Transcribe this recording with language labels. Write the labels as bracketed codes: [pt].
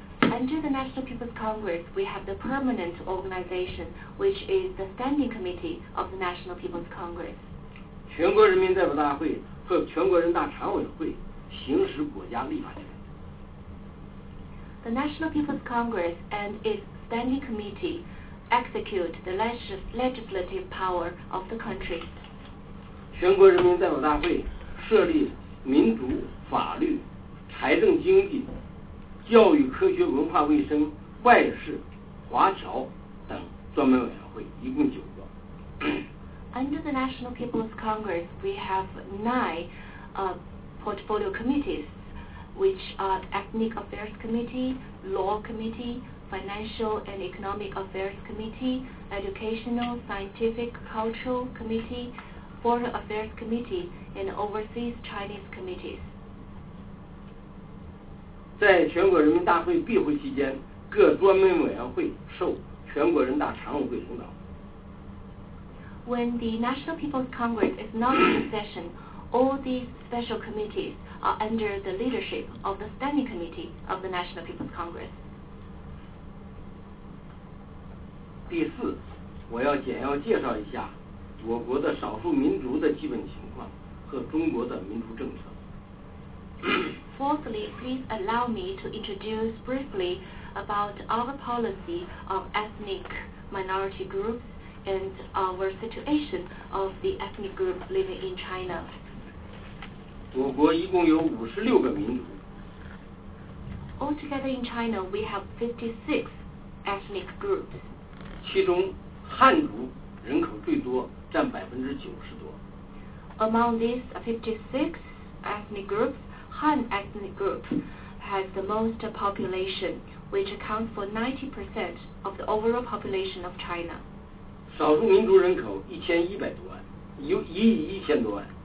[en] Under the National People's Congress, we have the permanent organization, which is the Standing Committee of the National People's Congress. [zh] 全国人民代表大会和全国人大常委会行使国家立法权。 [en] The National People's Congress and its Standing Committee execute the legislative power of the country. [zh] 全国人民代表大会设立民族、法律、财政、经济、教育、科学、文化、卫生、外事、华侨等专门委员会，一共9个。 [en] Under the National People's Congress, we have 9 portfolio committees, which are Ethnic Affairs Committee, Law Committee, Financial and Economic Affairs Committee, Educational, Scientific, Cultural Committee, Foreign Affairs Committee, and Overseas Chinese Committees. [zh] 在全国人民大会闭会期间，各专门委员会受全国人大常委会领导。 [en] When the National People's Congress is not in session, all these special committees are under the leadership of the Standing Committee of the National People's Congress. [zh] 第四，我要简要介绍一下我国的少数民族的基本情况和中国的民族政策。 [en] Fourthly, please allow me to introduce briefly about our policy of ethnic minority groups. And our situation of the ethnic group living in China. [zh] 我国一共有56个民族。 [en] Altogether in China, we have 56 ethnic groups. [zh] 其中汉族人口最多，占90%多。 [en] Among these 56 ethnic groups, Han ethnic group has the most population, which accounts for 90% of the overall population of China. [zh] 少数民族人口1100多万，有一亿一千多万。